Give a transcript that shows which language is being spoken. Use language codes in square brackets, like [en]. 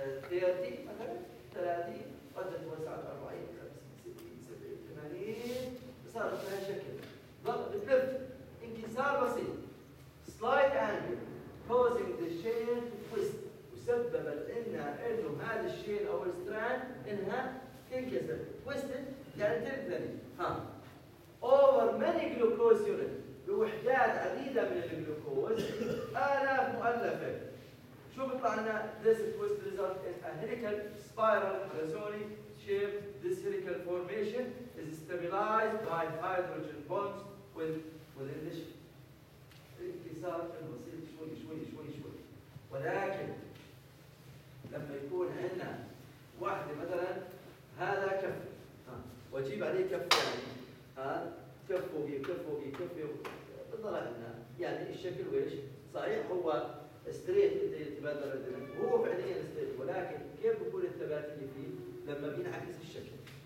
[ar] 30 مثلا 30 قد توسع 40 50 60 70 80 صارت بهذا الشكل بتلف انكسار بسيط [en] slight angle causing the chain to twist، [ar] وسبب لنا انه هذا الشين او الستراند انها تنكسر twisted يعني تنثني. [en] ها over many glucose units [ar] بوحدات عديده من الجلوكوز الاف مؤلفه شو بيطلع لنا؟ [en] This twist result in a helical spiral resonant shape. This helical formation is stabilized by hydrogen bonds with addition. [ar] الانكسار كان بسيط شوي شوي شوي شوي، ولكن لما يكون عندنا واحده مثلا هذا كف واجيب عليه كف ثاني كف فوقي كف فوقي كف فوقي بتطلع لنا يعني الشكل ويش؟ صحيح هو ستريت اللي يتبادل الدنيا هو فعليا ستريت، ولكن كيف بكون الثبات اللي فيه لما بينعكس الشكل؟